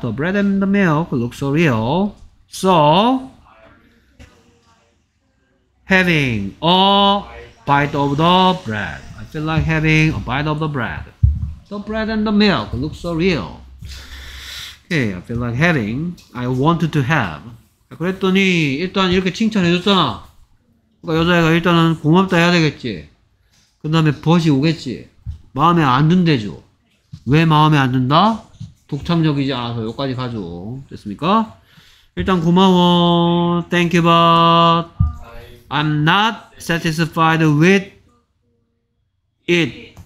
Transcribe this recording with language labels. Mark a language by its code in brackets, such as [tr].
[en] The bread and the milk looks so real. So having a bite of the bread. I feel like having a bite of the bread. The bread and the milk look so real. Okay, I feel like having. I wanted to have. [ko] 그랬더니 일단 이렇게 칭찬해줬잖아. 그러니까 여자애가 일단은 고맙다 해야 되겠지. 그 다음에 벗이 오겠지. 마음에 안 든대죠. 왜 마음에 안 든다? 독창적이지 않아서 여기까지 가죠. 됐습니까? 일단 고마워. [en] Thank you, but I'm not satisfied with it.